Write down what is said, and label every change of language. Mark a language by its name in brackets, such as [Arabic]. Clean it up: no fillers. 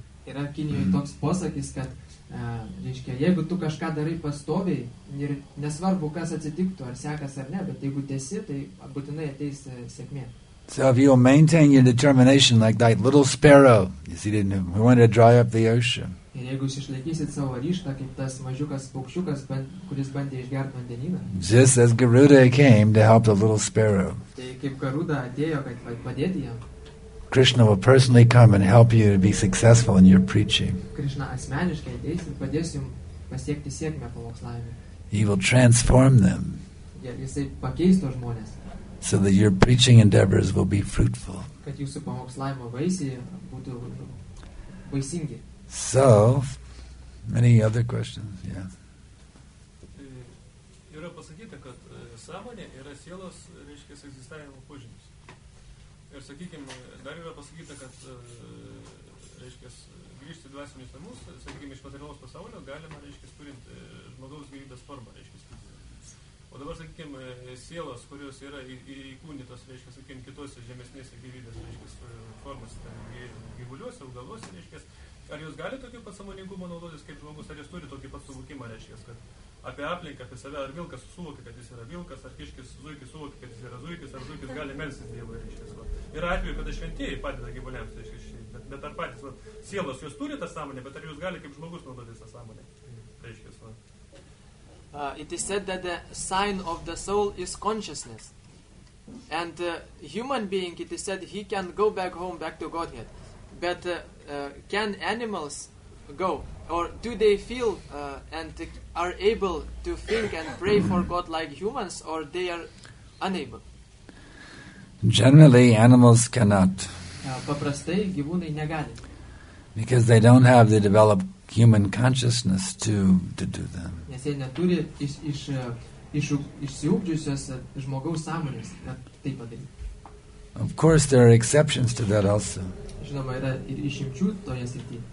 [Lithuanian] Yra Kinijoje toks posakis, kad reiškia, jeigu tu kažką darai pastoviai, ir nesvarbu, kas atsitiktų, ar sekas ar ne, bet jeigu tiesi, tai būtinai ateis sėkmė. [English] So if you will maintain your determination like that little sparrow, you see, we want to dry up the ocean. [Lithuanian] Ir jeigu jūs išlaikysit savo ryštą, kaip tas mažiukas paukščiukas, kuris bandė išgerti vandenyną. [English] Just as Garuda came to help the little sparrow. [Lithuanian] Tai kaip Garuda atėjo, kad padėti jam. [English] Krishna will personally come and help you to be successful in your preaching. [Lithuanian] Krishna asmeniškai ateis ir padės jum pasiekti sėkmę pamokslavime. [English] He will transform them. [Lithuanian] Jisai pakeis tuos žmones. [English] So that your preaching endeavors will be fruitful. [Lithuanian] Kad jūsų pamokslavimo vaisiai būtų vaisingi. [English] So, many other questions, yeah. [Lithuanian] Yra pasakyta, kad sąmonė yra sielos, reiškia, egzistavimo požymis. Ir sakykime, dar yra pasakyta, kad reiškia, grįžti dvasinius namus, sakykime, iš materialaus pasaulio galima, reiškia, turint žmogaus gyvybės formą, reiškia. O dabar, sakykime, sielos, kurios yra įkūnytos, reiškia, sakykime, kitose žemesnėse gyvybės, reiškia, formose, ten gyvuliuose, augaluose, reiškia. Ar jūs galite tokį pat sąmoningumą naudotis kaip žmogus, ar jūs turi tokį pat suvokimą, reiškia, kad apie aplinką, apie save, ar vilkas suvokia, kad jis yra vilkas, ar kiškis zuikis suvokia, kad jis yra zuikis, ar zuikis gali melsis Dievui, reiškia. Yra atveju, kada šventieji padeda gyvuliams, reiškia, bet ar patys, sielos jūs turi tą sąmonę, bet ar jūs gali kaip žmogus naudotis tą sąmonę, reiškia. [English] It is said that the sign of the soul is consciousness. And human being, it is said, he can go back home, back to Godhead. But can animals go? Or do they feel and are able to think and pray for God like humans, or they are unable? Generally, animals cannot. [Lithuanian] Paprastai gyvūnai negali. [English] Because they don't have the developed human consciousness to do them. [Lithuanian] Nes jie neturi išsiugdžiusios žmogaus sąmonės, kad tai padaryti. [English] Of course, there are exceptions to that also. [Lithuanian] Žinoma, yra ir išimčių toje srityje.